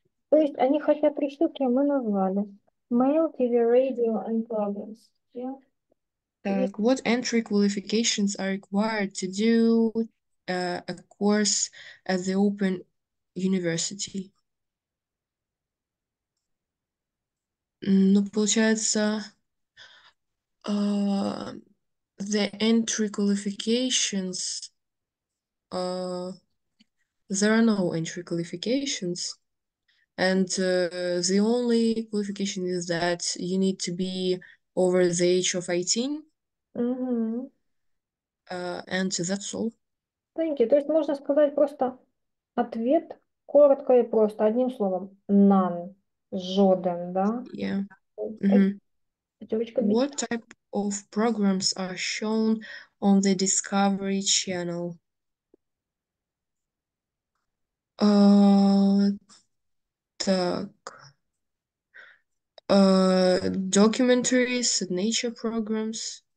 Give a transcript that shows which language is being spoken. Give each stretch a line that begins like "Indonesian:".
Russian: То есть они хотят три штуки, мы назвали.
English: Mail, TV, radio, and programs. Так, what entry qualifications are required to do a course at the Open University?
Russian: Ну, получается,
English: the entry qualifications, there are no entry qualifications, and the only qualification is that you need to be over the age of 18, and that's all. Thank you.
Russian: То есть можно сказать просто ответ коротко и просто одним словом.
English: None.
Russian: Жоден, да?
English: Yeah.
Russian: Пятерочка
English: What бить. type of programs are shown on the Discovery Channel? Так. Documentaries and nature programs.